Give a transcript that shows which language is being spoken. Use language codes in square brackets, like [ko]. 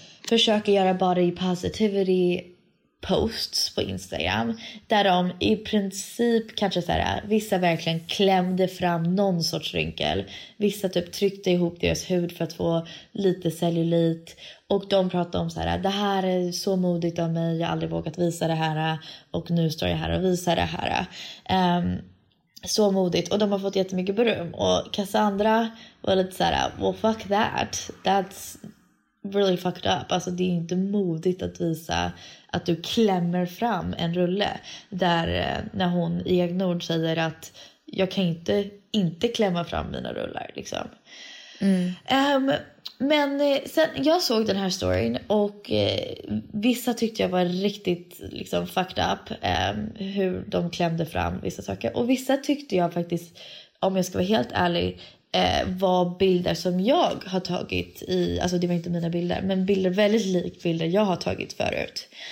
[sv] försöker göra body positivity posts på Instagram, där de i princip kanske så här, vissa verkligen klämde fram någon sorts rynkel, vissa typ tryckte ihop deras hud för att få lite cellulit, och de pratade om så här: det här är så modigt av mig, jag har aldrig vågat visa det här och nu står jag här och visar det här. Så modigt, och de har fått jättemycket beröm. Och Cassandra var lite så här: [en] well fuck that, that's really fucked up. [sv] Alltså det är inte modigt att visa att du klämmer fram en rulle, där när hon i egen ord säger att jag kan inte inte klämma fram mina rullar liksom. Men sen jag såg den här storyn, och vissa tyckte jag var riktigt liksom fucked up, hur de klämde fram vissa saker, och vissa tyckte jag faktiskt, om jag ska vara helt ärlig, var bilder som jag har tagit i, alltså det var inte mina bilder, men bilder väldigt lik bilder jag har tagit förut.